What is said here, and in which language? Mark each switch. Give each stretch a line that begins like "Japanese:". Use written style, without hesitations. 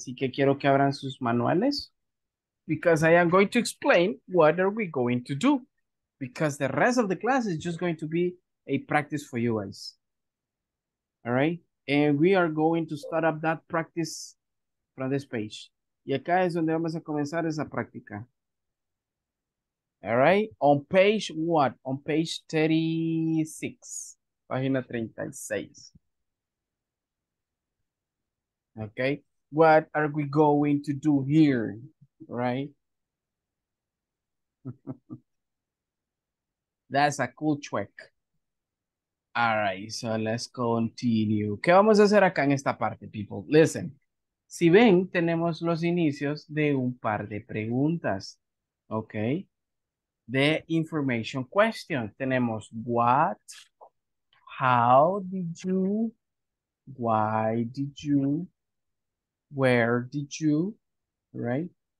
Spanish: Así que quiero que abran sus manuales
English: because I am going to explain what are we going to do, because the rest of the class is just going to be a practice for you guys. All right? And we are going to start up that practice from this page.
Spanish: Y acá es donde vamos a comenzar esa práctica.
English: All right? On page what? On page 36.
Spanish: Página 36.
English: Okay? What are we going to do here? Right? That's a cool trick. All right, so let's continue.
Spanish: ¿Qué vamos a hacer acá en esta parte,
English: people? Listen,
Spanish: si ven, tenemos los inicios de un par de preguntas, ¿ok?
English: De information questions.
Spanish: Tenemos
English: what, how did you, why did you, where did you, right?